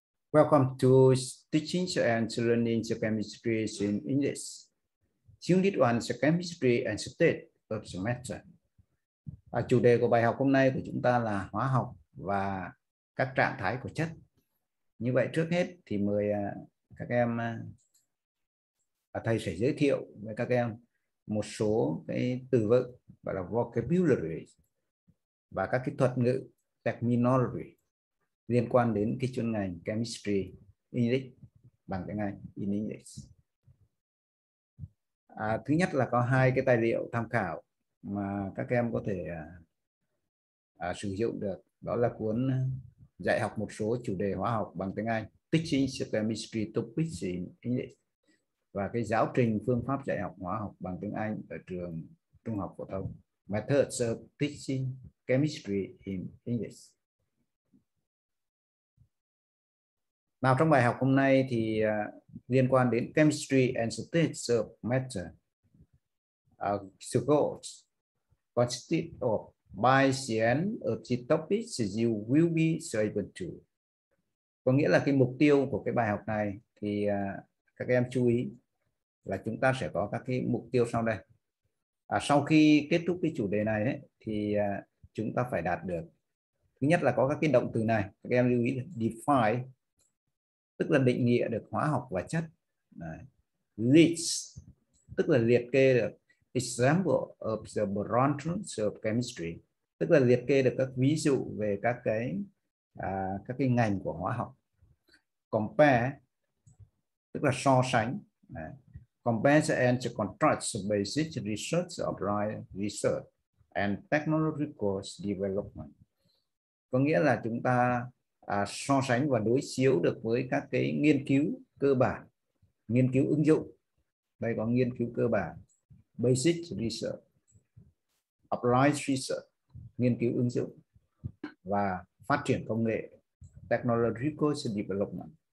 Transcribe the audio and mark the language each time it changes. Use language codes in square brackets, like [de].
[en] Welcome to teaching and learning chemistry in English. Unit 1 chemistry and state of the matter. [vi] Chủ đề của bài học hôm nay của chúng ta là hóa học và các trạng thái của chất. Như vậy trước hết thì mời các em thầy sẽ giới thiệu với các em một số cái từ vựng gọi là vocabulary và các cái thuật ngữ terminology liên quan đến cái chuyên ngành chemistry English bằng tiếng Anh [en] in English. [vi] Thứ nhất là có hai cái tài liệu tham khảo mà các em có thể sử dụng được, đó là cuốn dạy học một số chủ đề hóa học bằng tiếng Anh [en] Teaching Chemistry Topics in English [vi] và cái giáo trình phương pháp dạy học hóa học bằng tiếng Anh ở trường trung học phổ thông [en] Methods of Teaching Chemistry in English. [vi] Nào, trong bài học hôm nay thì liên quan đến [en] chemistry and states of matter. The goals consisted of by the end of the topics you will be able to. [vi] Có nghĩa là cái mục tiêu của cái bài học này thì các em chú ý là chúng ta sẽ có các cái mục tiêu sau đây. Sau khi kết thúc cái chủ đề này ấy, thì chúng ta phải đạt được. Thứ nhất là có các cái động từ này, các em lưu ý là define, tức là định nghĩa được hóa học và chất. Đấy. List, tức là liệt kê được [en] example of the branches of chemistry, [vi] tức là liệt kê được các ví dụ về các cái ngành của hóa học. Compare, tức là so sánh. Đấy. [en] Compare and contrast the basic research of research and technological development. [vi] Có nghĩa là chúng ta so sánh và đối chiếu được với các cái nghiên cứu cơ bản, nghiên cứu ứng dụng. Đây có nghiên cứu cơ bản, [en] basic research, applied research, [vi] nghiên cứu ứng dụng, và phát triển công nghệ, [en] technological development.